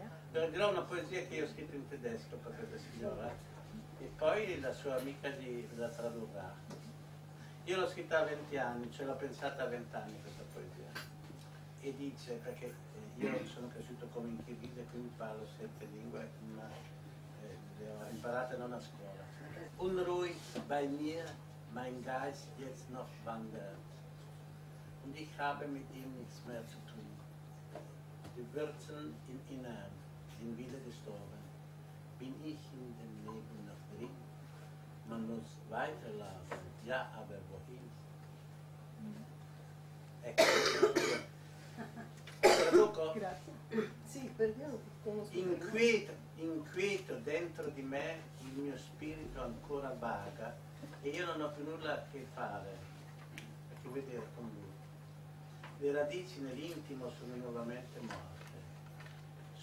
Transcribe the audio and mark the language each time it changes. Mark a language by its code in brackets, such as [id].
[it] Dirò una poesia che io ho scritto in tedesco per questa signora e poi la sua amica la tradurrà. Io l'ho scritta a 20 anni, ce l'ho pensata a 20 anni questa poesia. E dice, perché io sono cresciuto come in Kirghizia, quindi parlo 7 lingue, ma le ho imparate non a scuola. [de] Unruhig bei mir, mein Geist jetzt noch wandert. Und ich habe mit ihm nichts mehr zu tun. Die Wurzeln im Innern sind wieder gestorben. Bin ich in dem Leben noch drin? Man muss weiterlaufen, ja, aber wohin? [it] Traduco? Grazie. Sì, inquieto dentro di me il mio spirito ancora vaga e io non ho più nulla a che fare, a che vedere con lui. Le radici nell'intimo sono nuovamente morte.